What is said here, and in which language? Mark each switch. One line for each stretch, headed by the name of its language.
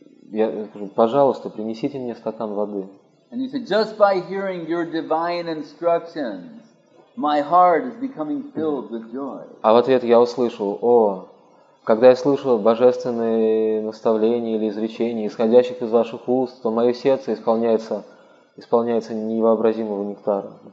Russian: Я говорю, пожалуйста, принесите мне стакан воды.
English: And he said, just by hearing your divine instructions, my heart is becoming filled with joy.
Russian: А в ответ я услышал, о, когда я слышу божественные наставления или изречения, исходящих из ваших уст, то мое сердце исполняется невообразимого нектара.